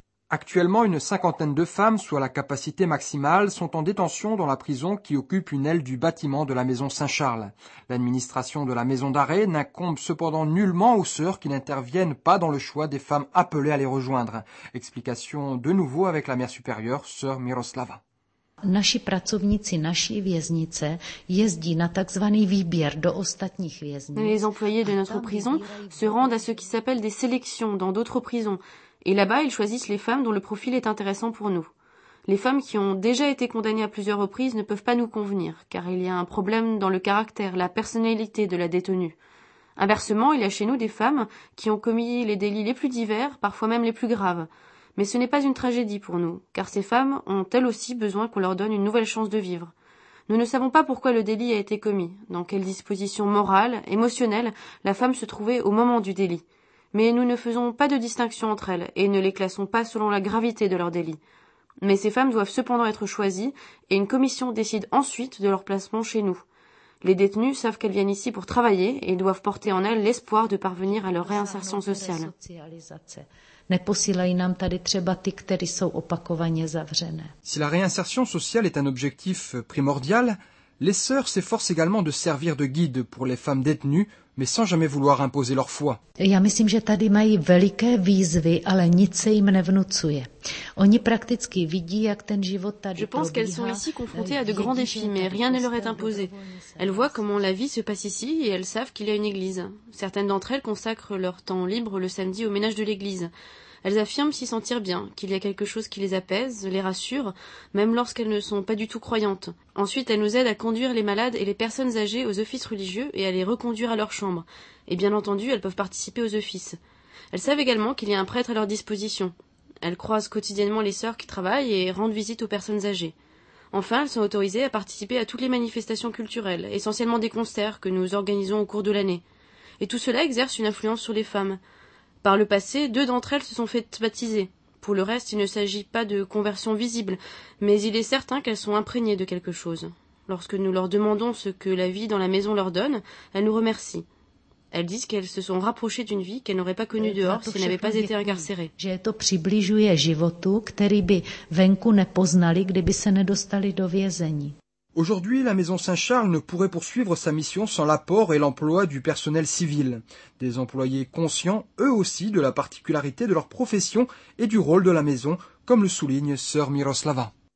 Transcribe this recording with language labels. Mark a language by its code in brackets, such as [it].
[fr] Actuellement, une cinquantaine de femmes, soit la capacité maximale, sont en détention dans la prison qui occupe une aile du bâtiment de la maison Saint-Charles. L'administration de la maison d'arrêt n'incombe cependant nullement aux sœurs qui n'interviennent pas dans le choix des femmes appelées à les rejoindre. Explication de nouveau avec la mère supérieure, sœur Miroslava. [cs] Naši pracovníci naší věznice jezdí na takzvaný výběr do ostatních věznic. [fr] Les employés de notre prison se rendent à ce qui s'appelle des sélections dans d'autres prisons. Et là-bas, ils choisissent les femmes dont le profil est intéressant pour nous. Les femmes qui ont déjà été condamnées à plusieurs reprises ne peuvent pas nous convenir, car il y a un problème dans le caractère, la personnalité de la détenue. Inversement, il y a chez nous des femmes qui ont commis les délits les plus divers, parfois même les plus graves. Mais ce n'est pas une tragédie pour nous, car ces femmes ont elles aussi besoin qu'on leur donne une nouvelle chance de vivre. Nous ne savons pas pourquoi le délit a été commis, dans quelle disposition morale, émotionnelle, la femme se trouvait au moment du délit. Mais nous ne faisons pas de distinction entre elles et ne les classons pas selon la gravité de leur délit. Mais ces femmes doivent cependant être choisies et une commission décide ensuite de leur placement chez nous. Les détenues savent qu'elles viennent ici pour travailler et ils doivent porter en elles l'espoir de parvenir à leur réinsertion sociale. [cs] Neposílají nám tady třeba ty, které jsou opakovaně zavřené. [fr] Si la réinsertion sociale est un objectif primordial, les sœurs s'efforcent également de servir de guide pour les femmes détenues, mais sans jamais vouloir imposer leur foi. [cs] Já myslím, že tady mají veliké výzvy, ale nic se jim nevnucuje. Oni prakticky vidí, jak ten život tady probíhá. [fr] Je pense qu'elles sont ici confrontées à de grands défis, mais rien ne leur est imposé. Elles voient comment la vie se passe ici et elles savent qu'il y a une église. Certaines d'entre elles consacrent leur temps libre le samedi au ménage de l'église. Elles affirment s'y sentir bien, qu'il y a quelque chose qui les apaise, les rassure, même lorsqu'elles ne sont pas du tout croyantes. Ensuite, elles nous aident à conduire les malades et les personnes âgées aux offices religieux et à les reconduire à leur chambre. Et bien entendu, elles peuvent participer aux offices. Elles savent également qu'il y a un prêtre à leur disposition. Elles croisent quotidiennement les sœurs qui travaillent et rendent visite aux personnes âgées. Enfin, elles sont autorisées à participer à toutes les manifestations culturelles, essentiellement des concerts que nous organisons au cours de l'année. Et tout cela exerce une influence sur les femmes. Par le passé, deux d'entre elles se sont faites baptiser. Pour le reste, il ne s'agit pas de conversion visible, mais il est certain qu'elles sont imprégnées de quelque chose. Lorsque nous leur demandons ce que la vie dans la maison leur donne, elles nous remercient. Elles disent qu'elles se sont rapprochées d'une vie qu'elles n'auraient pas connue dehors si elles n'avaient pas été incarcérées. [cs] Že to přibližuje životu, který by venku nepoznali, kdyby se nedostali do vězení. [fr] Aujourd'hui, la maison Saint-Charles ne pourrait poursuivre sa mission sans l'apport et l'emploi du personnel civil. Des employés conscients, eux aussi, de la particularité de leur profession et du rôle de la maison, comme le souligne sœur Miroslava.